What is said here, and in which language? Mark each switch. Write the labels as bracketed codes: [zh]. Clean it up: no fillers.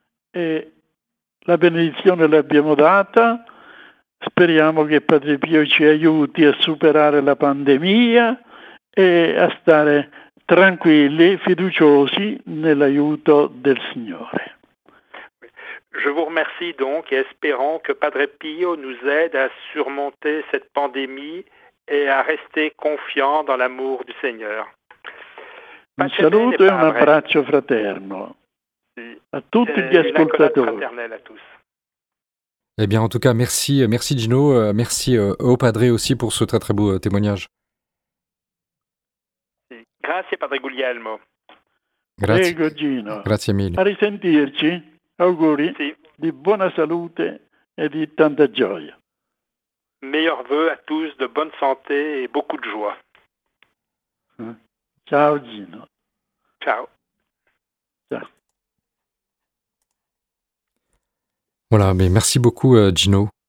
[it] E la benedizione l'abbiamo data. Speriamo che Padre Pio ci aiuti a superare la pandemia e a stare tranquilli, fiduciosi nell'aiuto del Signore. [fr] Je vous remercie donc et espérons que Padre Pio nous aide à surmonter cette pandémie et à rester confiants dans l'amour du Seigneur. [it] Un saluto e un abbraccio fraterno a tutti gli ascoltatori. [fr] Eh bien, en tout cas, merci Gino, merci au Padre aussi pour ce très très beau témoignage. [it] Grazie Padre Guglielmo. Grazie. Prego Gino. Grazie mille. A risentirci. Auguri di buona salute e di tanta gioia. [fr] Meilleur vœu à tous de bonne santé et beaucoup de joie. [it] Ciao Gino. Ciao. Ciao. [fr] Voilà, mais merci beaucoup Gino.